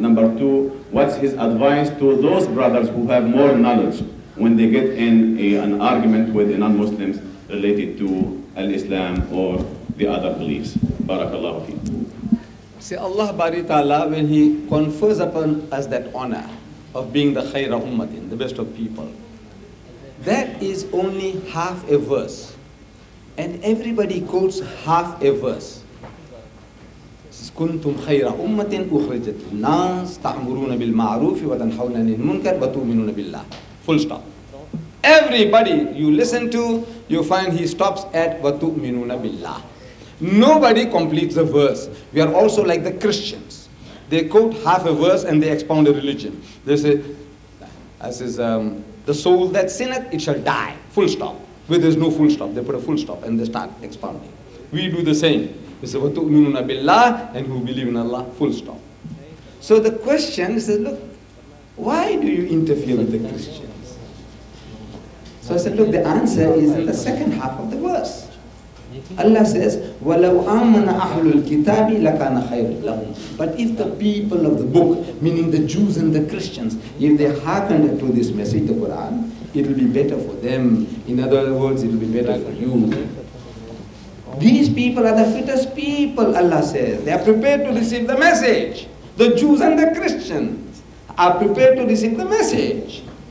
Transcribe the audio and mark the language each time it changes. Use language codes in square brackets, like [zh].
[en] Number two, what's his advice to those brothers who have more knowledge when they get in an argument with the non-Muslims related to al-Islam or the other beliefs? Barakallahu fi. See, Allah Bari Ta'ala, when he confers upon us that honor of being the khayra ummatin, the best of people, that is only half a verse. And everybody quotes half a verse. [ar] كنتم خير أمة أخرجت للناس تأمرون بالمعروف وتنهون عن المنكر وتؤمنون بالله. [en] Full stop. Everybody you listen to, you find he stops at [ar] وتؤمنون بالله. [en] Nobody completes a verse. We are also like the Christians. They quote half a verse and they expound a religion. They say, as is the soul that sinneth, it shall die. Full stop. Where there's no full stop, they put a full stop and they start expounding. We do the same. We say, [ar] وَتُؤْمِنُونَ بِاللَّهِ [en] and who believe in Allah, full stop. So the question is, look, why do you interfere with the Christians? So I said, look, the answer is in the second half of the verse. Allah says, [ar] وَلَوْ آمَنَ أَحْلُ الْكِتَابِ لَكَانَ خَيْرٌ لَهُمْ. [en] But if the people of the book, meaning the Jews and the Christians, if they hearkened to this message, the Quran, it will be better for them. In other words, it will be better for you. These people are the fittest people, Allah says. They are prepared to receive the message. The Jews and the Christians are prepared to receive the message.